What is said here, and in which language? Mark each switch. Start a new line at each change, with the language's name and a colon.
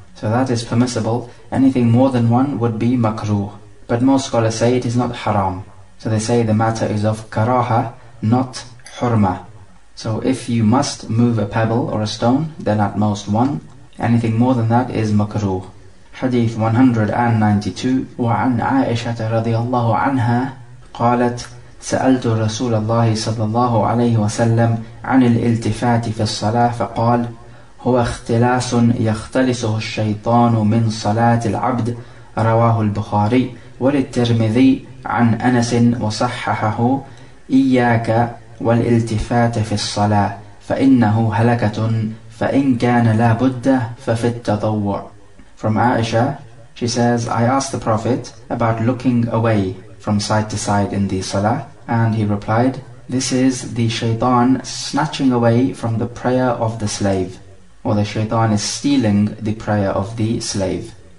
English: So that is permissible. Anything more than one would be makruh. But most scholars say it is not haram. So they say the matter is of karaha, not hurma. So if you must move a pebble or a stone, then at most one. Anything more than that is makruh. Hadith 192.
Arabic: وعن عائشة رضي الله عنها قالت سألت رسول الله صلى الله عليه وسلم عن الالتفات في الصلاة فقال هو اختلاس يختلسه الشيطان من صلاة العبد رواه البخاري وللترمذي عن أنس وصححه إياك والالتفات في الصلاة فإنه هلكة فإن كان لا بد ففي التضوع.
English: From Aisha, she says, I asked the Prophet about looking away from side to side in the salah, and he replied, this is the shaitan snatching away from the prayer of the slave, or the shaitan is stealing the prayer of the slave.